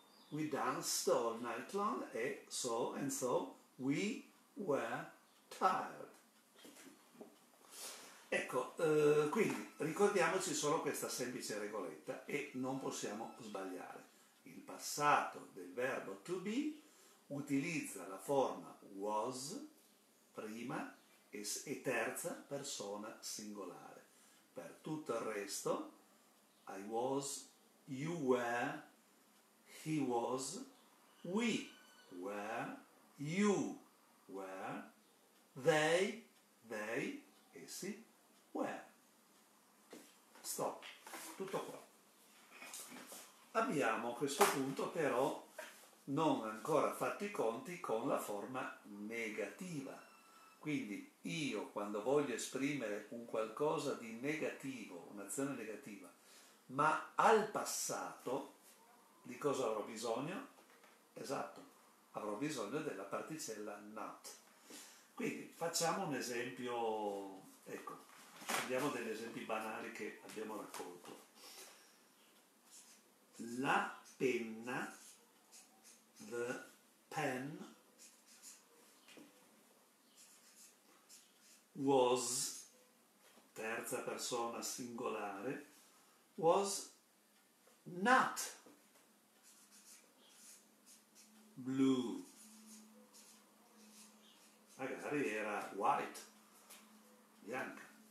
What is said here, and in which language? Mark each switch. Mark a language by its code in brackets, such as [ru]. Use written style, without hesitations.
[en] We danced all night long and so we were tired. [it] Ecco, quindi ricordiamoci solo questa semplice regoletta e non possiamo sbagliare. Il passato del verbo to be utilizza la forma was, prima e terza persona singolare. Per tutto il resto, [en] I was, you were, he was, we were, you were, they, essi, were. [it] Stop. Tutto qua. Abbiamo a questo punto però non ancora fatto i conti con la forma negativa. Quindi io, quando voglio esprimere un qualcosa di negativo, un'azione negativa, ma al passato, di cosa avrò bisogno? Esatto, avrò bisogno della particella not. Quindi facciamo un esempio, ecco, prendiamo degli esempi banali che abbiamo raccolto. La penna, [en] the pen, was, [it] terza persona singolare, [en] was not blue, [it] magari era white, bianca.